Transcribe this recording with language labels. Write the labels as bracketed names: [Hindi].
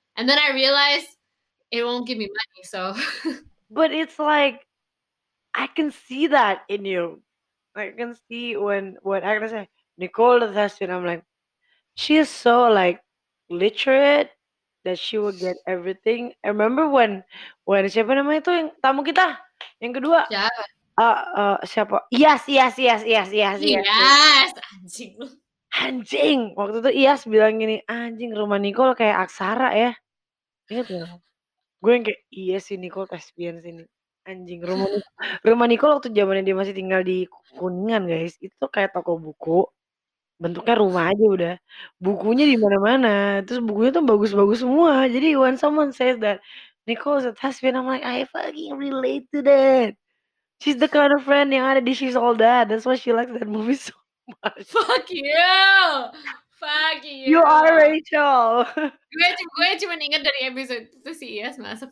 [English] And then I realized it won't give me money, so But it's like I can see that in you. I can see when I gonna say Nicole the Thespian, I'm like, she is so like literate that she will get everything. I remember when [Indonesian] siapa namanya itu yang tamu kita yang kedua. Siapa? Yes. anjing. Anjing. Waktu itu Iyas bilang gini, anjing rumah Nicole kayak aksara ya. Ingat gak? Gue yang kayak iya sih Nicole Caspian sini. Anjing rumah Nicole waktu zamannya dia masih tinggal di Kuningan, guys. Itu kayak toko buku. Bentuknya rumah aja udah. Bukunya di mana-mana. Terus bukunya tuh bagus-bagus semua. [English] Jadi when someone says that Nicole is a Caspian, I'm like, I fucking relate to that. She's the kind of friend [Indonesian] yang ada di [English] She's All That. That's why she likes that movie so much. Fuck you. Fuck you. You are Rachel. [Indonesian] Gue cuma inget dari episode itu si Iyas masak.